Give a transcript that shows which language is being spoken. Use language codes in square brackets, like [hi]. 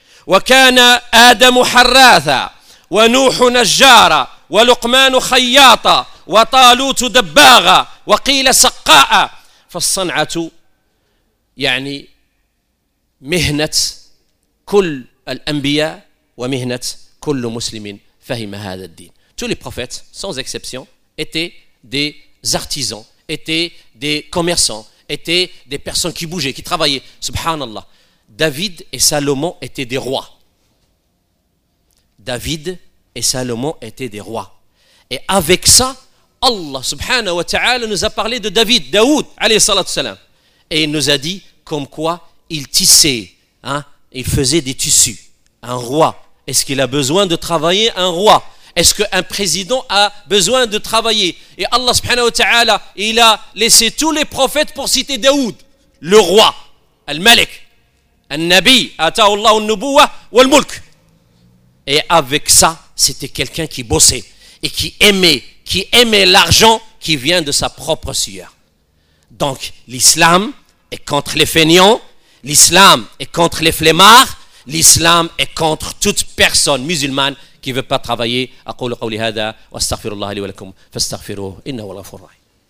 [ar] وكان آدم حراثا ونوح نجارا ولقمان خياطا وطالوت دباغا وقيل سقاء فالصنعة يعني مهنة كل الأنبياء ومهنة كل مسلم فهم هذا الدين. [fr] Tous les prophètes sans exception étaient des artisans, étaient des commerçants, étaient des personnes qui bougeaient, qui travaillaient. Subhanallah. David et Salomon étaient des rois. David et Salomon étaient des rois. Et avec ça, Allah subhanahu wa ta'ala nous a parlé de David, Daoud, alayhi salatu salam. Et il nous a dit comme quoi il tissait, hein, il faisait des tissus. Un roi, est-ce qu'il a besoin de travailler un roi? Est-ce qu'un président a besoin de travailler? Et Allah subhanahu wa ta'ala, il a laissé tous les prophètes pour citer Daoud, le roi, al-Malik. [ar] النبي آتاه الله النبوة والملك. [fr] Et avec ça, c'était quelqu'un qui bossait et qui aimait l'argent qui vient de sa propre sueur. Donc l'islam est contre les fainéants, l'islam est contre les flemmards, l'islam est contre toute personne musulmane qui veut pas travailler. [ar] أقول قولي هذا واستغفر الله لي ولكم فاستغفروه إنه الغفور الرحيم.